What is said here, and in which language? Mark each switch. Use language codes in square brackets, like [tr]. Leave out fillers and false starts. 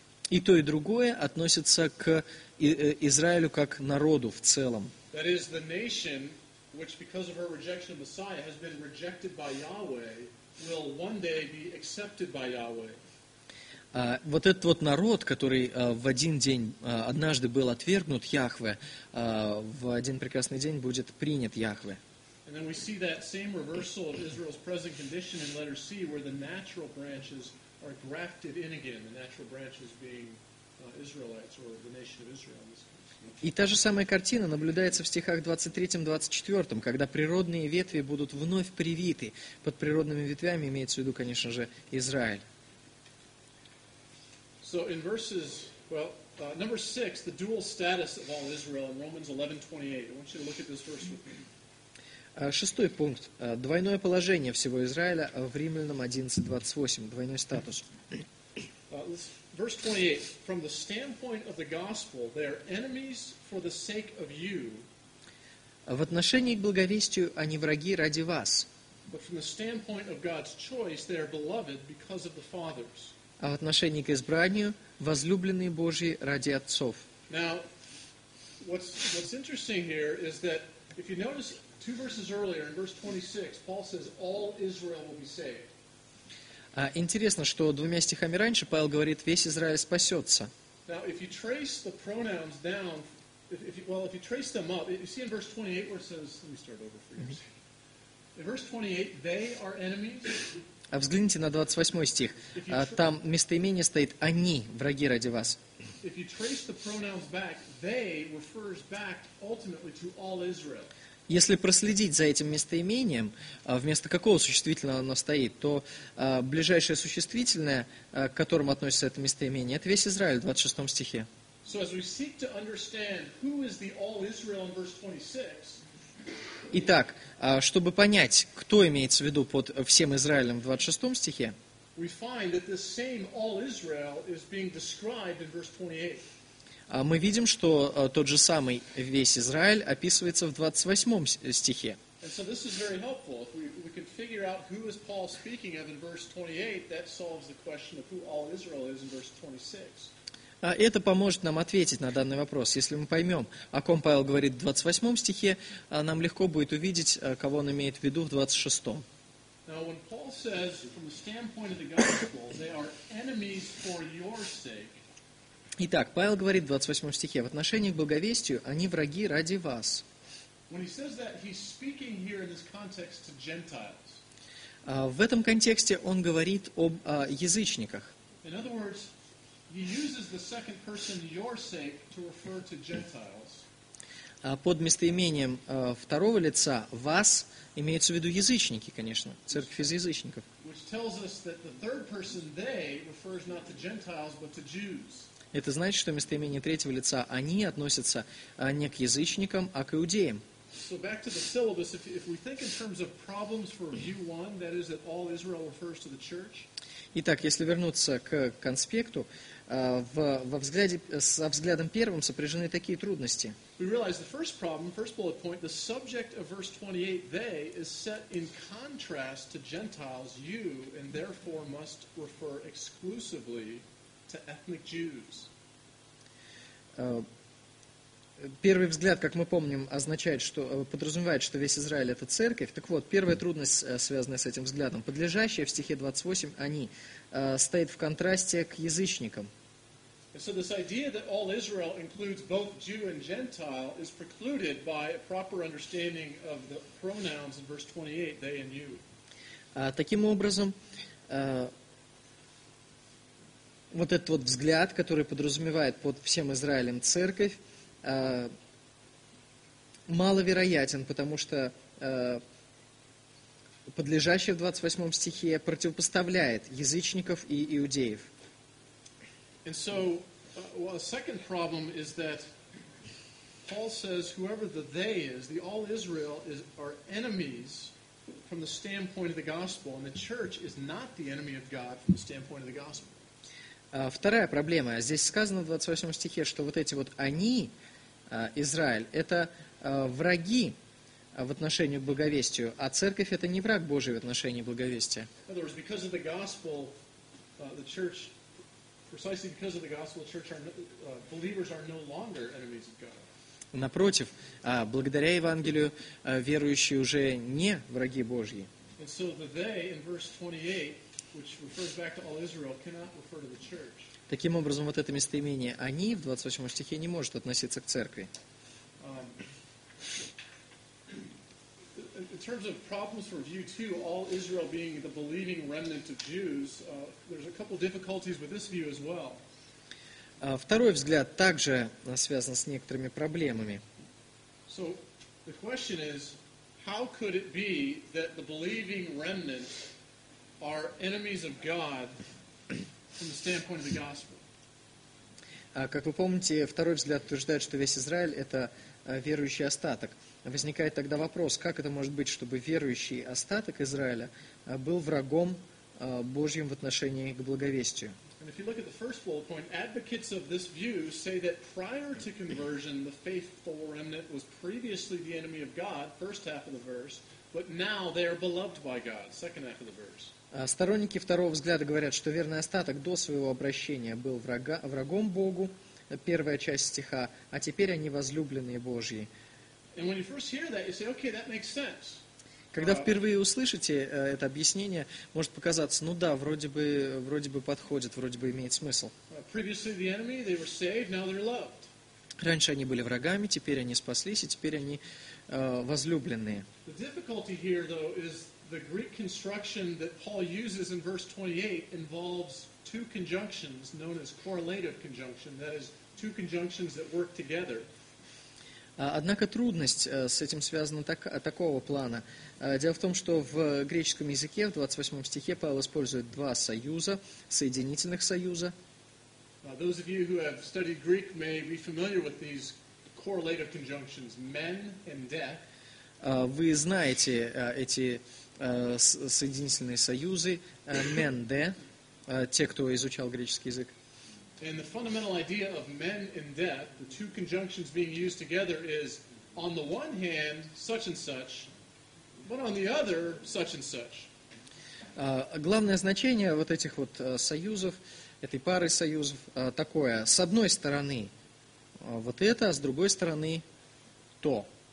[ru] И то, и другое относится к Израилю как народу в целом. [en] That is the nation, which because of her rejection of Messiah has been rejected by Yahweh, will one day be accepted by Yahweh. [ru] Вот этот вот народ, который в один день, однажды был отвергнут Яхве, в один прекрасный день будет принят Яхве. [en] And then we see that same reversal of Israel's present condition in letter C, where the natural branches are grafted in again, the natural branches being Israelites, or the nation of Israel. [ru] И та же самая картина наблюдается в стихах 23-24, когда природные ветви будут вновь привиты. Под природными ветвями имеется в виду, конечно же, Израиль. [en] So in verses, number six, the dual status of all Israel in Romans 11:28. I want you to look at this verse with me. [ru] Шестой пункт. Двойное положение всего Израиля в Римлянам 11:28. Двойной статус. [en] Verse 28. From the standpoint of the gospel, they are enemies for the sake of you. [ru] В отношении к благовестию они враги ради вас. [en] But from the standpoint of God's choice, they are beloved because of the fathers. [ru] А в отношении к избранию – возлюбленные Божьи ради отцов. [en] Now, what's interesting here is that if you notice two verses earlier in verse 26, Paul says all Israel will be saved. [ru] Интересно, что двумя стихами раньше Павел говорит, весь Израиль спасется. [en] Now, if you trace the pronouns down, if you trace them up, you see in verse 28 where it says, let me start over for you. In verse 28, they are enemies. [ru] А взгляните на 28 стих. Там местоимение стоит «они», враги ради вас. [en] If you trace the pronouns back, they refers back ultimately to all Israel. [ru] Если проследить за этим местоимением, вместо какого существительного оно стоит, то ближайшее существительное, к которому относится это местоимение, это весь Израиль в 26 стихе. [en] So as we seek to understand who is the all Israel in verse 26. [ru] Итак, чтобы понять, кто имеется в виду под всем Израилем в 26 стихе, [en] we find that this same all Israel is being described in verse 28. [ru] Мы видим, что тот же самый весь Израиль описывается в 28 стихе. [en] And so this is very helpful. If we can figure out who is Paul speaking of in verse 28, that solves the question of who all Israel is in verse 26. [ru] Это поможет нам ответить на данный вопрос. Если мы поймем, о ком Павел говорит в 28 стихе, нам легко будет увидеть, кого он имеет в виду в 26. [en] Now, when Paul says, from the standpoint of the gospel, they are enemies for your sake. [ru] Итак, Павел говорит в 28 стихе, в отношении к благовестию они враги ради вас. [en] When he says that, he's speaking here in this context to Gentiles. [ru] В этом контексте он говорит об язычниках. [en] In other words, he uses the second person your sake to refer to Gentiles. [ru] Под местоимением второго лица вас имеются в виду язычники, конечно, церковь из язычников. [en] Which tells us that the third person they refers not to Gentiles, but to Jews. [ru] Это значит, что местоимение третьего лица «они» относятся не к язычникам, а к иудеям. [en] So back to the syllabus. If we think in terms of problems for view one, that is that all Israel refers to the church. [ru] Итак, если вернуться к конспекту, со взглядом первым сопряжены такие трудности. [en] We realize the first problem, first bullet point, the subject of verse 28, they, is set in contrast to Gentiles, you, and therefore must refer exclusively to ethnic Jews. [ru] Первый взгляд, как мы помним, означает, что подразумевает, что весь Израиль это церковь. Так вот, первая трудность, связанная с этим взглядом, подлежащая в стихе 28, они стоит в контрасте к язычникам. [en] So this idea that all Israel includes both Jew and Gentile is precluded by a proper understanding of the pronouns in verse 28, they and you. [ru] Таким образом, вот этот вот взгляд, который подразумевает под всем Израилем церковь, маловероятен, потому что подлежащий в 28 стихе противопоставляет язычников и иудеев. [en] And so, a second problem is that Paul says whoever the they is, the all Israel, is, are enemies from the standpoint of the gospel, and the church is not the enemy of God from the standpoint of the gospel. [ru] Вторая проблема. Здесь сказано в 28 стихе, что вот эти вот «они», Израиль, это враги в отношении к благовестию, а церковь – это не враг Божий в отношении благовестия. [en] In other words, because of the gospel, the church, precisely because of the gospel, the church are, believers are no longer enemies of God. [ru] Напротив, благодаря Евангелию, верующие уже не враги Божьи. [en] And so the they in verse 28, which refers back to all Israel, cannot refer to the church. [ru] Таким образом, вот это местоимение «они» в 28 стихе не может относиться к церкви. [en] In terms of problems for view two, all Israel being the believing remnant of Jews, there's a couple difficulties with this view as well. [ru] Второй взгляд также связан с некоторыми проблемами. [en] So, the question is, how could it be that the believing remnant are enemies of God from the standpoint of the gospel? [ru] Как вы помните, второй взгляд утверждает, что весь Израиль – это верующий остаток. Возникает тогда вопрос, как это может быть, чтобы верующий остаток Израиля был врагом Божьим в отношении к благовестию? [en] And if you look at the first bullet point, advocates of this view say that prior to conversion, the faithful remnant was previously the enemy of God, first half of the verse, but now they are beloved by God, second half of the verse. [ru] Сторонники второго взгляда говорят, что верный остаток до своего обращения был врагом Богу, первая часть стиха, а теперь они возлюбленные Божьи. [en] And when you first hear that, you say, okay, that makes sense. [ru] Когда впервые услышите это объяснение, может показаться, ну да, вроде бы подходит, вроде бы имеет смысл. [en] Previously the enemy, they were saved, now they're loved. [ru] Раньше они были врагами, теперь они спаслись, и теперь они возлюбленные. [en] The difficulty here, though, is the Greek construction that Paul uses in verse 28 involves two conjunctions known as correlative conjunction, that is, two conjunctions that work together. [ru] Однако трудность с этим связана такого плана. Дело в том, что в греческом языке, в 28 стихе, Павел использует два союза, соединительных союза. [en] Those of you who have studied Greek may be familiar with these correlative conjunctions, men and death. [ru] Вы знаете эти соединительные союзы, men, de, те, кто изучал греческий язык. [en] And the fundamental idea of men and death, the two conjunctions being used together, is on the one hand, such and such, but on the other, such and such. [ru] Главное значение вот этих вот союзов, этой пары союзов, такое. С одной стороны вот это, а с другой стороны то.